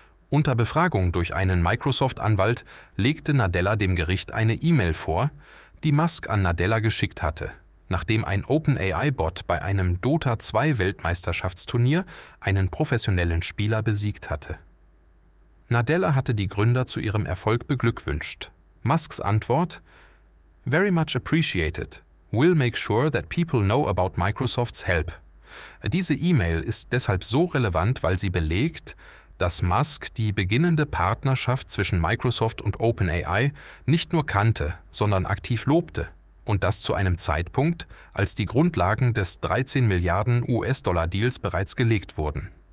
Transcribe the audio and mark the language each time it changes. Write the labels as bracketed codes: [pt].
[de] Unter Befragung durch einen Microsoft-Anwalt legte Nadella dem Gericht eine E-Mail vor, die Musk an Nadella geschickt hatte, nachdem ein OpenAI-Bot bei einem Dota 2-Weltmeisterschaftsturnier einen professionellen Spieler besiegt hatte. Nadella hatte die Gründer zu ihrem Erfolg beglückwünscht. Musks Antwort: [en] Very much appreciated. We'll make sure that people know about Microsoft's help. [de] Diese E-Mail ist deshalb so relevant, weil sie belegt, dass Musk die beginnende Partnerschaft zwischen Microsoft und OpenAI nicht nur kannte, sondern aktiv lobte. Und das zu einem Zeitpunkt, als die Grundlagen des 13 Milliarden US-Dollar-Deals bereits gelegt wurden.